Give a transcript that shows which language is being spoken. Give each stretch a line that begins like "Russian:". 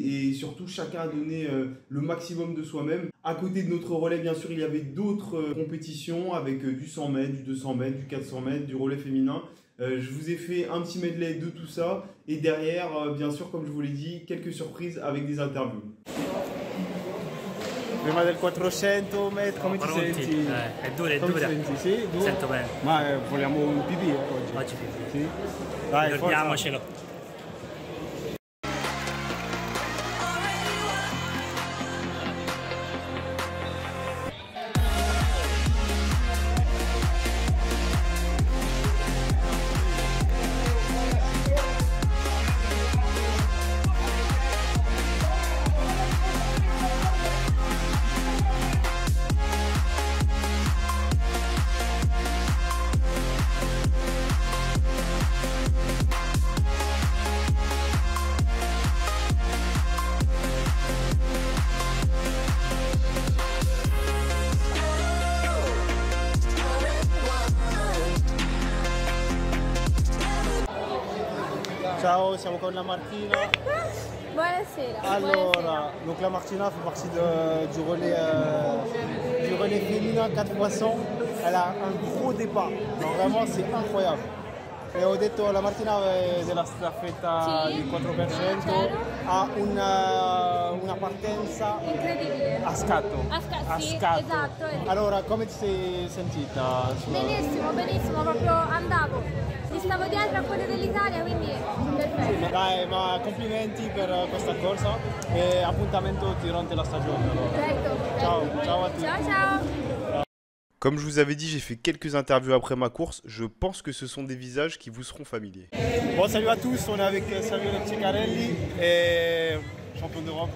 French: Et surtout, chacun a donné le maximum de soi-même. À côté de notre relais, bien sûr, il y avait d'autres compétitions avec du 100 mètres, du 200 mètres, du 400 mètres, du relais féminin. Je vous ai fait un petit medley de tout ça. Et derrière, bien sûr, comme je vous l'ai dit, quelques surprises avec des interviews.
Italian: Prima del 400 metri, come ti senti? È dura, è dura. Senti? Sì, dura. Sento bene. Ma vogliamo un PB oggi? Oggi PB. Sì? Dai, dormiamocelo. Ciao, siamo con la Martina. Buonasera. Allora, buonasera.
French: Donc la Martina fait partie du relais féminin 4x100. Elle a un gros départ. Donc vraiment, c'est incroyable. Et on a dit la Martina de la staffetta du 4x100
Italian: a una partenza incredibile. A scatto. Sì, scatto. Esatto. Allora, come ti sei sentita? Benissimo, benissimo, proprio andavo. Mi stavo dietro a quelle dell'Italia, quindi perfetto. Dai, ma complimenti per questa corsa e appuntamento durante la stagione. Perfetto. Ciao, ciao a tutti. Ciao, ciao.
French: Comme je vous avais dit, j'ai fait quelques interviews après ma course. Je pense que ce sont des visages qui vous seront familiers. Bon, salut à tous. On est avec Samuel Ceccarelli, champion d'Europe.